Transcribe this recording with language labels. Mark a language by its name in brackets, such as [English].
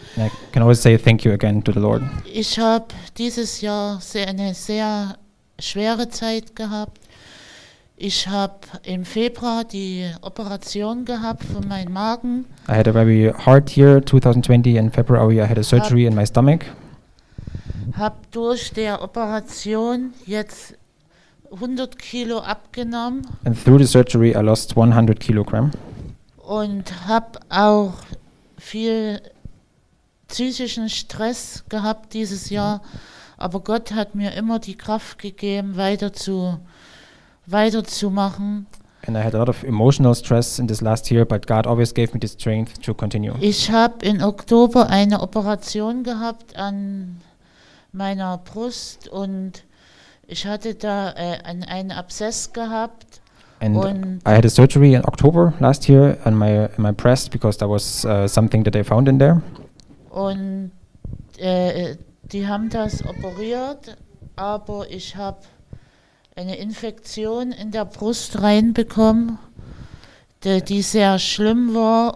[English] I can always say thank you again to the Lord. [German] Ich habe dieses Jahr eine sehr schwere Zeit gehabt. Ich habe im Februar die Operation gehabt von meinem Magen. [English] I had a very hard year 2020. In February I had a surgery in my stomach. [German] Habe durch der Operation jetzt 100 Kilo abgenommen. [English] And through the surgery I lost 100 kilogram. [German] Und habe auch viel psychischen Stress gehabt dieses Jahr, aber Gott hat mir immer die Kraft gegeben, weiterzumachen. [English] And I had a lot of emotional stress in this last year, but God always gave me the strength to continue. [German] Ich habe im Oktober eine Operation gehabt an meiner Brust und ich hatte da einen Abszess gehabt. [English] And I had a surgery in October last year on my breast because there was something that they found in there. [German] Und die haben das operiert, aber ich habe eine Infektion in der Brust reinbekommen, die sehr schlimm war.